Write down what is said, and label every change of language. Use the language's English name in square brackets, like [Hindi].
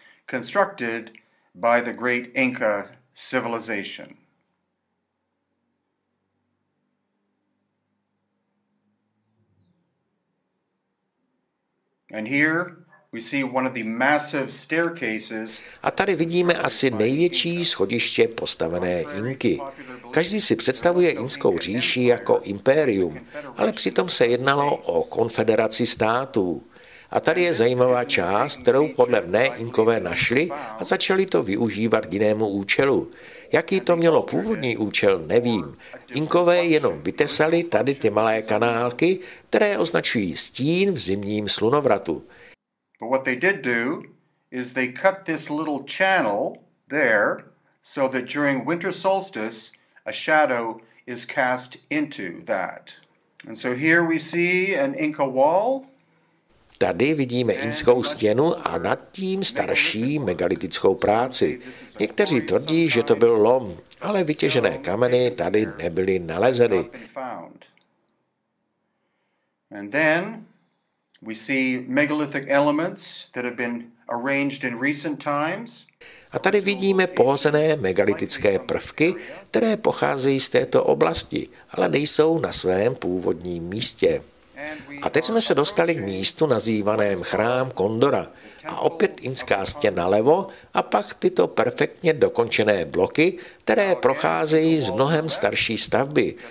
[English] Constructed by the great Inca civilization. And here we see one of the massive staircases. [Czech] A tady vidíme asi největší schodiště postavené Inky. Každý si představuje Inskou říši jako impérium, ale přitom se jednalo o konfederaci států. A tady je zajímavá část, kterou podle mne Inkové našli a začali to využívat k jinému účelu. Jaký to mělo původní účel, nevím. Inkové jenom vytesali tady ty malé kanálky, které označují stín v zimním slunovratu. [English] But what they did do is they cut this little channel there so that during winter solstice a shadow is cast into that. And so here we see an Inca wall. [Czech] Tady vidíme inskou stěnu a nad tím starší megalitickou práci. Někteří tvrdí, že to byl lom, ale vytěžené kameny tady nebyly nalezeny. [English] And then we see megalithic elements that have been arranged in recent times. [Czech] A tady vidíme pohozené megalitické prvky, které pocházejí z této oblasti, ale nejsou na svém původním místě. A teď jsme se dostali k místu nazývaném chrám Kondora. A opět inská stěna levo a pak tyto perfektně dokončené bloky, které procházejí z mnohem starší stavby.